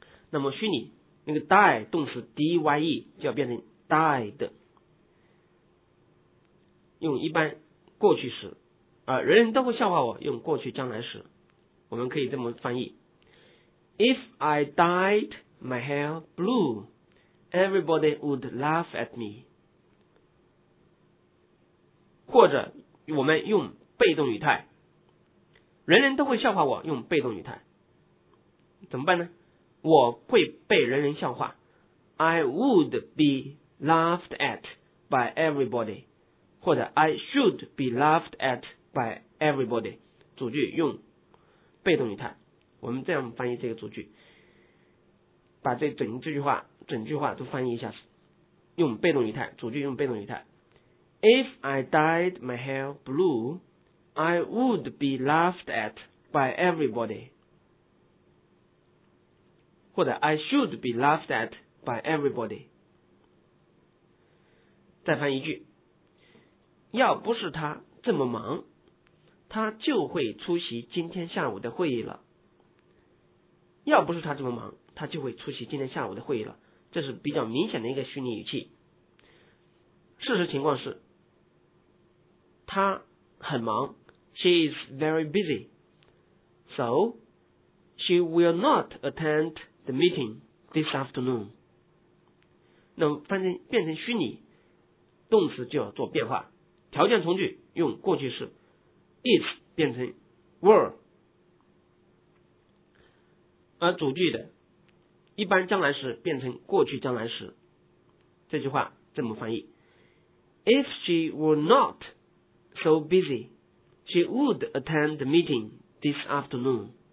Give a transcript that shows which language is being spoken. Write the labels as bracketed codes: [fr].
[zh] 那么虚拟那个 dye 动词 dye 就要变成 dyed， 用一般过去时，人人都会笑话我，用过去将来时，我们可以这么翻译 [en] If I dyed my hair blue, everybody would laugh at me。 [zh] 或者我们用被动语态，人人都会笑话我，用被动语态怎么办呢？我会被人人笑话， [en] I would be laughed at by everybody， [zh] 或者 [en] I should be laughed at by everybody。 [zh] 主句用被动语态，我们这样翻译这个主句，把这整这句话整句话都翻译一下，用被动语态，主句用被动语态。 [en] If I dyed my hair blue, I would be laughed at by everybody， [zh] 或者 [en] I should be laughed at by everybody。 [zh] 再翻一句，要不是他这么忙，他就会出席今天下午的会议了。要不是他这么忙，他就会出席今天下午的会议了，这是比较明显的一个虚拟语气。事实情况是他很忙， [en] She is very busy, so she will not attendThe meeting this afternoon。 [zh] 那么翻成变成虚拟，动词就要做变化，条件从句用过去式 is 变成 [en] were。 [zh] 而主句的一般将来时变成过去将来时，这句话这么翻译 [en] If she were not so busy, she would attend the meeting this afternoon.